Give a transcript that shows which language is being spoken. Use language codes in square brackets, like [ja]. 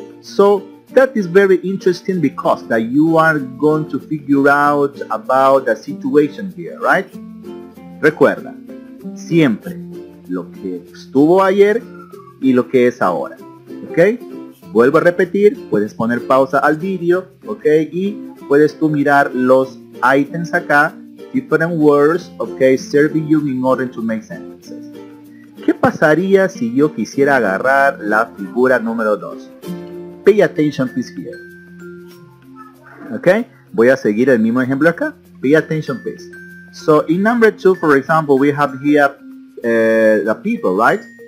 [en] So, that is very interesting because that you are going to figure out about the situation here. Right? [es] Recuerda, siempre lo que estuvo ayer y lo que es ahora. ¿Ok? Vuelvo a repetir. Puedes poner pausa al video. ¿Ok? Y puedes tú mirar los items acá, [en] different words, okay, serving you in order to make sentences. [es] ¿Qué pasaría si yo quisiera agarrar la figura número 2? [en] Pay attention, please, here. [es] Okay, voy a seguir el mismo ejemplo acá. [en] Pay attention, please. So, in number 2, for example, we have here the people, right?